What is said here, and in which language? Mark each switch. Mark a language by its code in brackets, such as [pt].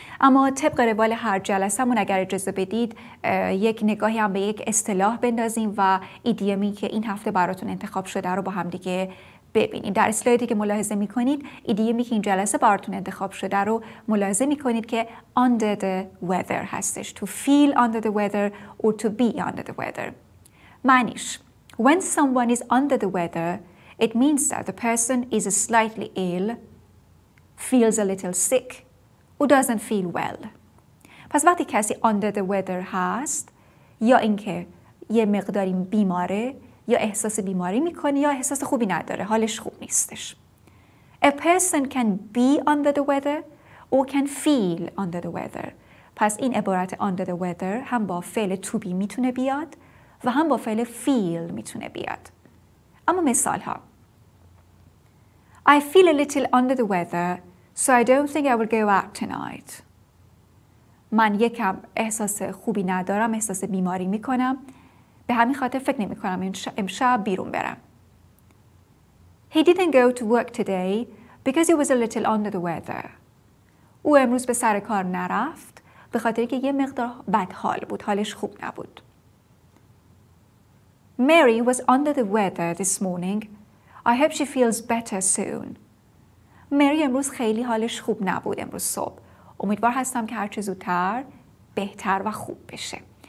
[fa] اما طبق روال هر جلسه‌مون اگر اجازه بدید یک نگاهی هم به یک اصطلاح بندازیم و ایدیومی که این هفته براتون انتخاب شده رو با هم دیگه ببینیم. در اسلایدی که ملاحظه میکنید ایدیومی که این جلسه براتون انتخاب شده رو ملاحظه میکنید که [en] under the weather [fa] هستش. [en] To feel under the weather or to be under the weather. [fa] معنیش: [en] When someone is under the weather, it means that the person is slightly ill, feels a little sick, or doesn't feel well. [fa] پس وقتی کسی [en] under the weather [fa] هست، یا اینکه یه مقداری بیماره، یا احساس بیماری میکنه، یا احساس خوبی نداره، حالش خوب نیستش. [en] A person can be under the weather or can feel under the weather. [fa] پس این عبارت [en] under the weather [fa] هم با فعل to be میتونه بیاد و هم با فعل feel میتونه بیاد. اما مثال ها: [en] I feel a little under the weather, so I don't think I will go out tonight. [fa] من یکم احساس خوبی ندارم، احساس بیماری میکنم، به همین خاطر فکر نمی کنم امشب بیرون برم. [en] He didn't go to work today because he was a little under the weather. [fa] او امروز به سر کار نرفت به خاطر که یه مقدار بد حال بود، حالش خوب نبود. [en] Mary was under the weather this morning. I hope she feels better soon. [fa] مری امروز خیلی حالش خوب نبود امروز صبح. امیدوار هستم که هرچه زودتر بهتر و خوب بشه.